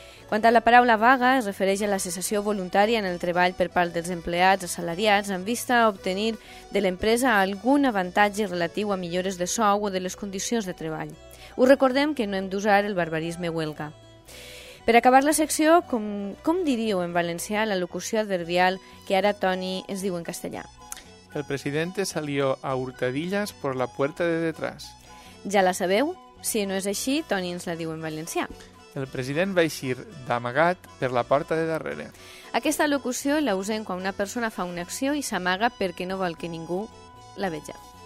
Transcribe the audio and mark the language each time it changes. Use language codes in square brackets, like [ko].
[ca] Quant a la paraula vaga, es refereix a la cessació voluntària en el treball per part dels empleats assalariats en vista a obtenir de l'empresa algun avantatge relatiu a millores de sou o de les condicions de treball. Us recordem que no hem d'usar el barbarisme huelga. Per acabar la secció, com diríeu en valencià la locució adverbial que ara Toni ens diu en castellà? [es] El presidente salió a hurtadillas por la puerta de detrás. [ca] Ja la sabeu? Si no és així, Toni ens la diu en valencià. El president va eixir d'amagat per la porta de darrere. Aquesta locució la usem quan una persona fa una acció i s'amaga perquè no vol que ningú la veja.